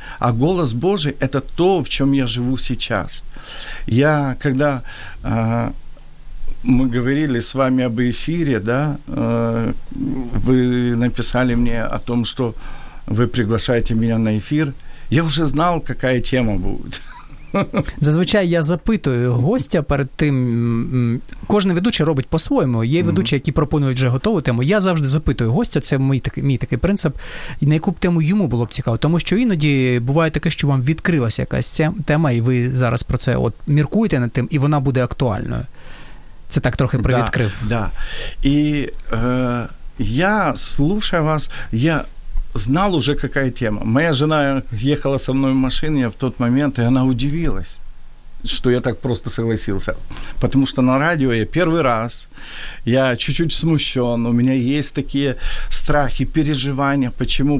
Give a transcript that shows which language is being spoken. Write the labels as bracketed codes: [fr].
[ru] А голос Божий – это то, в чем я живу сейчас. Я, когда мы говорили с вами об эфире, да, вы написали мне о том, что вы приглашаете меня на эфир, я уже знал, какая тема будет. [uk] Зазвичай я запитую гостя перед тим, кожен ведучий робить по-своєму, є ведучі, які пропонують вже готову тему, я завжди запитую гостя, це мій такий принцип, на яку б тему йому було б цікаво, тому що іноді буває таке, що вам відкрилася якась тема, і ви зараз про це от міркуєте над тим, і вона буде актуальною. Це так трохи привідкрив. [ru] Да, да. І я слушаю вас, я знал уже, какая тема. Моя жена ехала со мной в машине в тот момент, и она удивилась, что я так просто согласился. Потому что на радио я первый раз, я чуть-чуть смущен, у меня есть такие страхи, переживания. Почему?